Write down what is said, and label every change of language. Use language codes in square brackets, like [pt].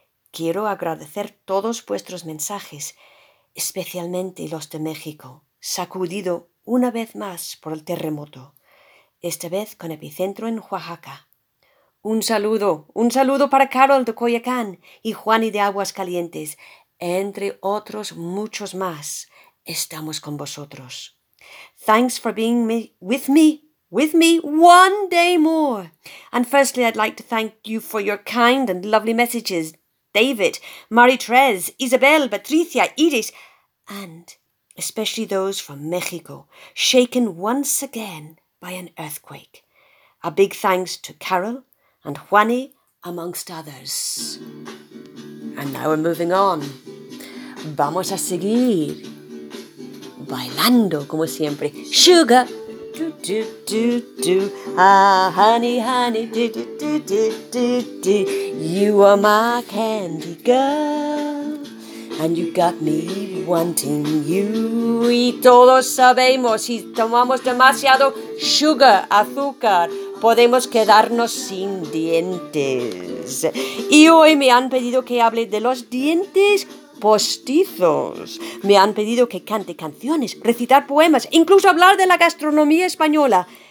[es] Quiero agradecer todos vuestros mensajes, especialmente los de México, sacudido una vez más por el terremoto, esta vez con epicentro en Oaxaca. Un saludo para Carol de Coyacán y Juan y de Aguas Calientes. Entre otros muchos más, estamos con vosotros. [en] Thanks for being with me one day more. And firstly, I'd like to thank you for your kind and lovely messages, David, Marie-Thérèse, Isabel, Patricia, Edith, and especially those from Mexico, shaken once again by an earthquake. A big thanks to Carol and Juani, amongst others. And now we're moving on. [es] Vamos a seguir bailando como siempre. [en] Sugar, do do do do. Ah, honey, honey, do do do do do do. You are my candy girl, and you got me wanting you. [es] Y todos sabemos si tomamos demasiado sugar, azúcar, podemos quedarnos sin dientes. Y hoy me han pedido que hable de los dientes postizos. Me han pedido que cante canciones, recitar poemas, incluso hablar de la gastronomía española.